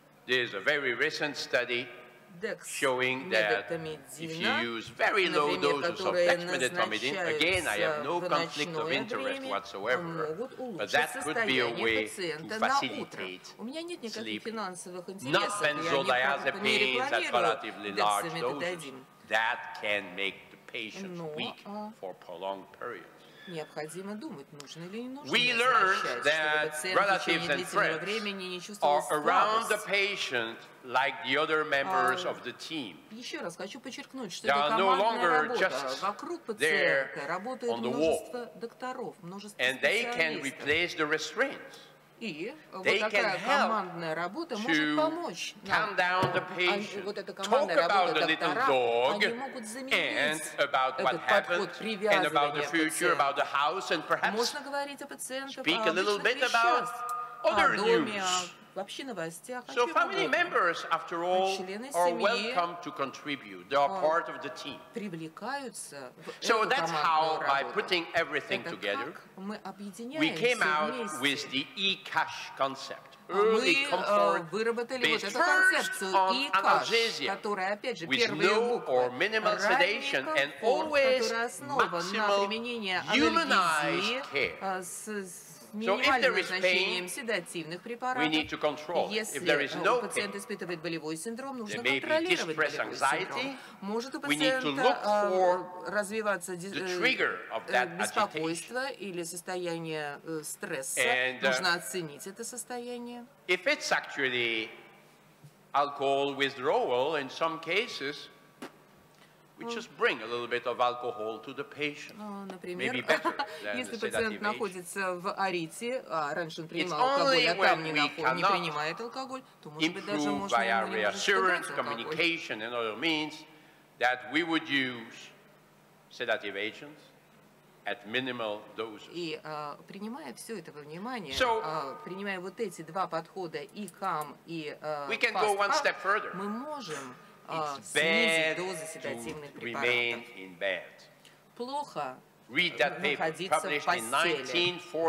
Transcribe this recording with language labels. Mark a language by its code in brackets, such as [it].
[en] There is a very recent study showing that if you use very low doses of dexmedetomidine, again, I have no conflict of interest whatsoever, but that could be a way to facilitate sleep. Not benzodiazepines at relatively large doses. That can make the patient weak for prolonged periods. [ru] Необходимо думать, нужно или не нужно. [en] We learned that relatives and friends are around the patient like the other members of the team. [ru] Еще раз хочу подчеркнуть, что это командная работа. Вокруг пациента работает множество докторов, множество специалистов. [en] And they can replace the restraints. [ru] И вот такая командная работа может помочь нам. Вот эта командная работа докторов, они могут заметить этот подход привязывания к пациенту. Можно говорить о пациентах, о личных вещах, о доме, вообще новостях. [en] So family members, after all, are welcome to contribute. They are part of the team. [ru] Привлекаются. [en] So that's how, by putting everything together, we came out with the e-cash concept. Early comfort, [ru] выработали вот эту концепцию e-cash, которая, опять же, первые буквы, ранний комфорт, который основан на применении анальгезии. [en] So if there is pain, we need to control. If there is no pain, there may be distress, anxiety. We need to look for the trigger of that agitation. And if it's actually alcohol withdrawal, in some cases, we just bring a little bit of alcohol to the patient. Maybe better than the sedative agent. It's only when we cannot improve via reassurance, communication, and other means that we would use sedative agents at minimal doses. [ru] И принимая все это во внимание, принимая вот эти два подхода, и CAM, и [en] FAST-CAM, [ru] мы можем снизить дозы седативных препаратов. Плохо находиться в постели.